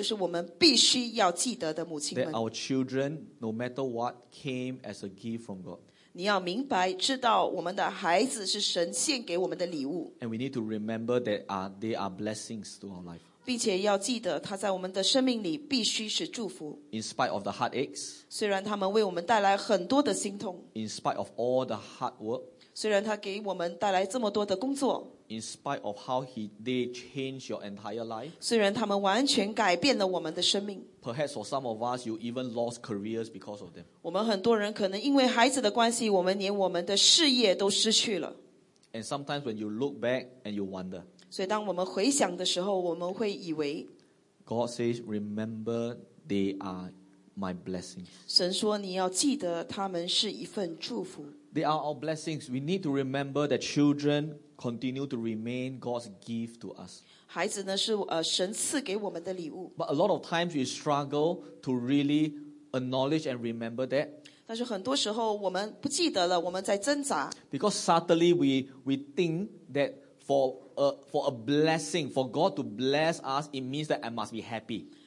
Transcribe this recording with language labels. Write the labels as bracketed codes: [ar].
[zh] 我们讲的是那些母亲们,就是我们必须要记得的母亲们。 [en] That our children, no matter what, came as a gift from God. [zh] 你要明白,知道我们的孩子是神献给我们的礼物。 [en] And we need to remember that they are blessings to our life. [zh] 并且要记得,他在我们的生命里必须是祝福。 [en] In spite of the heartaches. [zh] 虽然他们为我们带来很多的心痛。 [en] In spite of all the hard work. [zh] 虽然他给我们带来这么多的工作。 [en] In spite of how they change your entire life. [zh] 虽然他们完全改变了我们的生命。 [en] Perhaps for some of us, you even lost careers because of them. [zh] 我们很多人可能因为孩子的关系, 我们连我们的事业都失去了。 [en] And sometimes when you look back and you wonder. [zh] 所以当我们回想的时候, 我们会以为, [en] God says, remember they are my blessings. [zh] 神说你要记得他们是一份祝福。 [en] They are our blessings. We need to remember that children continue to remain God's gift to us. [zh] 孩子呢,是神赐给我们的礼物。 [en] But a lot of times we struggle to really acknowledge and remember that. [zh] 但是很多时候我们不记得了,我们在挣扎。 [en] Because subtly we think that for a blessing, for God to bless us, it means that I must be happy.